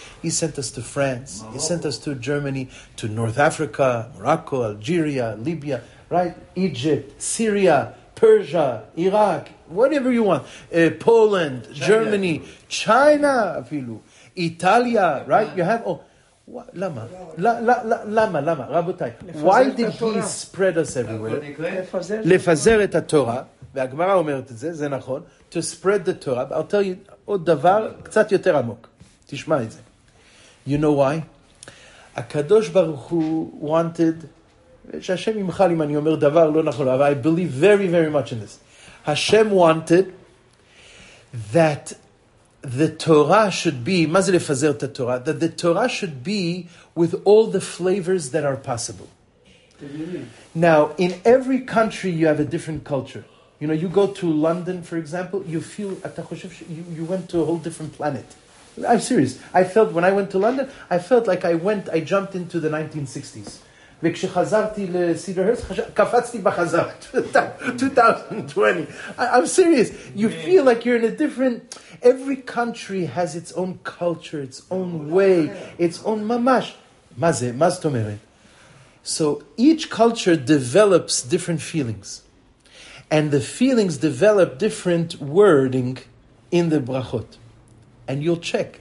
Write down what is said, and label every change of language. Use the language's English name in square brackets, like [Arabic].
[English] He sent us to France. Morocco. He sent us to Germany, to North Africa, Morocco, Algeria, Libya, right? Egypt, Syria, Persia, Iraq, whatever you want, Poland, China, Germany, China, afilu, Italia, yeah, right? Man. You have, oh, what, [Hebrew] lama, lama, rabotai. [English] Why did he spread us everywhere? [Hebrew] Lefazer et haTorah, והגמרא אומרת את זה, זה נכון, [English] to spread the Torah, I'll tell you [Hebrew] עוד דבר קצת יותר עמוק, תשמע את זה. [English] You know why? [Hebrew] הקדוש ברוך הוא wanted, שהשם ימחל אם אני אומר דבר לא נכון, אבל [English] I believe very, very much in this. השם wanted that the Torah should be, [Hebrew] מה זה לפזר את התורה? [English] That the Torah should be with all the flavors that are possible. Now, in every country you have a different culture. You know, you go to London, for example, you feel, you went to a whole different planet. I'm serious. I felt, when I went to London, I felt like I jumped into the 1960s. [Hebrew] וכשחזרתי לסידרהרסט, קפצתי בחזרה, 2020. [English] I'm serious. You feel like you're in a different, every country has its own culture, its own way, its own ממש. [Hebrew] מה זה? מה זאת אומרת? [English] So each culture develops different feelings. And the feelings develop different wording in the brachot. And you'll check.